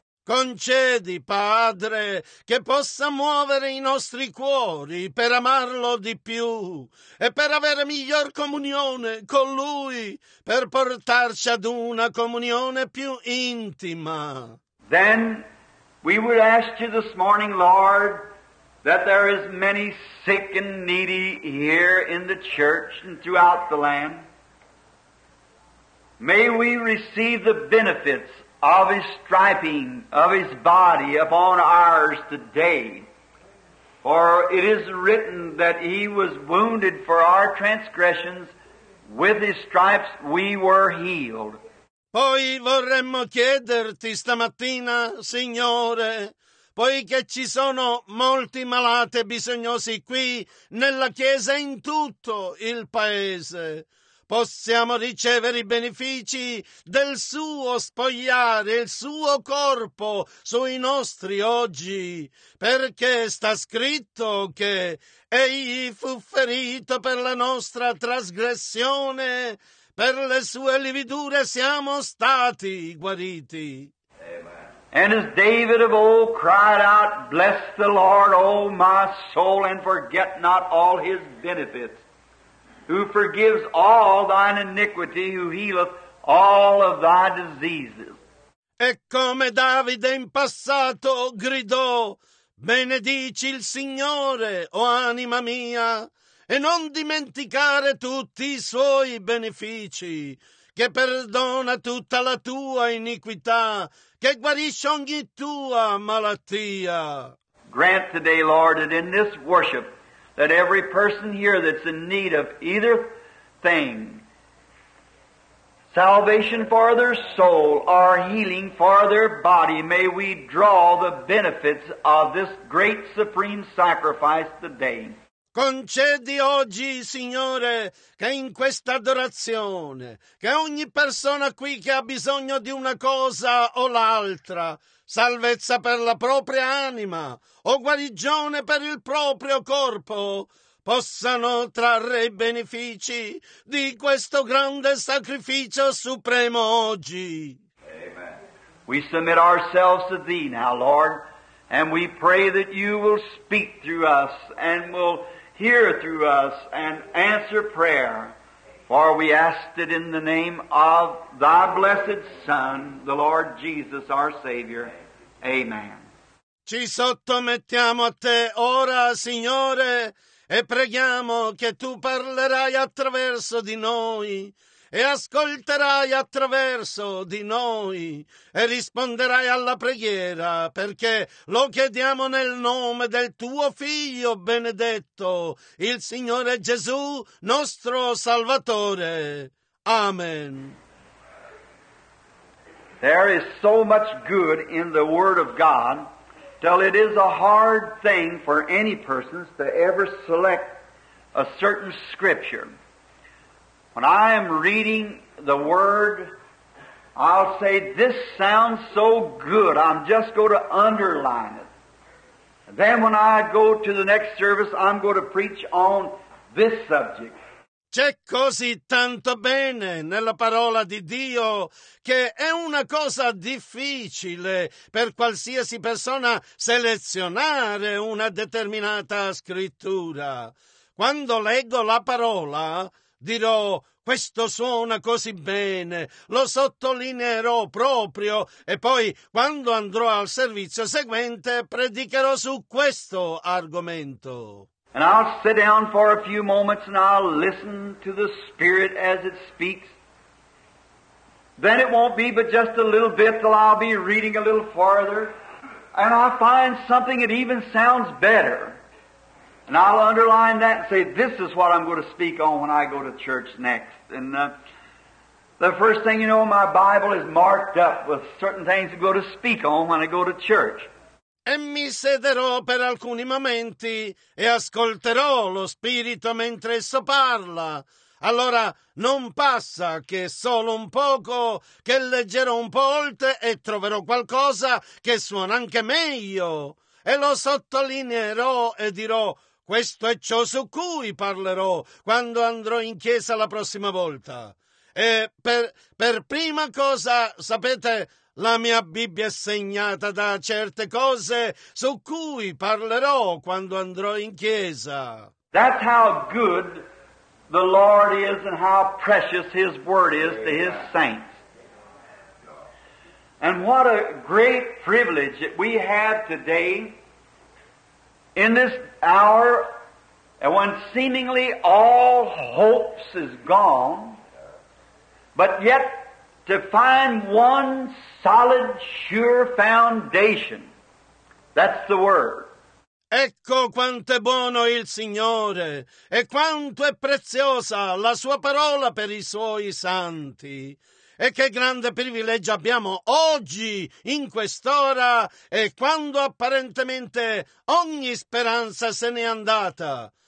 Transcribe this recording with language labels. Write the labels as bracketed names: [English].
[Italian] Concedi, Padre, che possa muovere i nostri cuori per amarlo di più e per avere miglior comunione con Lui, per portarci ad una comunione più intima. [English] Then we would ask You this morning, Lord, that there is many sick and needy here in the church and throughout the land. May we receive the benefits of His striping, of His body upon ours today. For it is written that He was wounded for our transgressions. With His stripes we were healed. [Italian] Poi vorremmo chiederti stamattina, Signore, poiché ci sono molti malati e bisognosi qui nella Chiesa in tutto il Paese, possiamo ricevere i benefici del Suo spogliare, il Suo corpo sui nostri oggi, perché sta scritto che Egli fu ferito per la nostra trasgressione, per le Sue lividure siamo stati guariti. [English] And as David of old cried out, "Bless the Lord, O my soul, and forget not all His benefits, who forgives all thine iniquity, who healeth all of thy diseases." [Italian] E come Davide in passato gridò, "Benedici il Signore, o anima mia, e non dimenticare tutti i Suoi benefici, che perdona tutta la tua iniquità, che guarisce ogni tua malattia." Grant today, Lord, that in this worship, that every person here that's in need of either thing, salvation for their soul or healing for their body, may we draw the benefits of this great supreme sacrifice today. Concedi oggi, Signore, che in questa adorazione, che ogni persona qui che ha bisogno di una cosa o l'altra, salvezza per la propria anima o guarigione per il proprio corpo, possano trarre i benefici di questo grande sacrificio supremo oggi. [English] Amen. We submit ourselves to Thee now, Lord, and we pray that You will speak through us and will hear through us and answer prayer, for we ask it in the name of Thy blessed Son, the Lord Jesus, our Savior. Amen. [Italian] Ci sottomettiamo a Te ora, Signore, e preghiamo che Tu parlerai attraverso di noi e ascolterai attraverso di noi e risponderai alla preghiera, perché lo chiediamo nel nome del Tuo Figlio benedetto, il Signore Gesù, nostro Salvatore. Amen. [English] There is so much good in the Word of God. Still, it is a hard thing for any person to ever select a certain scripture. When I am reading the word, I'll say, this sounds so good, I'm just going to underline it. And then when I go to the next service, I'm going to preach on this subject. [Italian] C'è così tanto bene nella parola di Dio che è una cosa difficile per qualsiasi persona selezionare una determinata scrittura. Quando leggo la parola, dirò, questo suona così bene, lo sottolineerò proprio e poi quando andrò al servizio seguente predicherò su questo argomento. [English] And I'll sit down for a few moments and I'll listen to the Spirit as it speaks. Then it won't be but just a little bit till I'll be reading a little farther. And I'll find something that even sounds better. And I'll underline that and say, this is what I'm going to speak on when I go to church next. And the first thing you know, my Bible is marked up with certain things I'm going to speak on when I go to church. [Italian] E mi sederò per alcuni momenti e ascolterò lo Spirito mentre esso parla. Allora non passa che solo un poco, che leggerò un po' oltre e troverò qualcosa che suona anche meglio. E lo sottolineerò e dirò, questo è ciò su cui parlerò quando andrò in chiesa la prossima volta. E per prima cosa, sapete, la mia Bibbia è segnata da certe cose su cui parlerò quando andrò in chiesa. [English] That's how good the Lord is and how precious His Word is to His saints. And what a great privilege that we have today in this hour when seemingly all hopes is gone, but yet to find one solid, sure foundation. That's the word. [Italian] Ecco quanto è buono il Signore e quanto è preziosa la sua parola per i suoi santi. E che grande privilegio abbiamo oggi, in quest'ora, e quando apparentemente ogni speranza se n'è andata.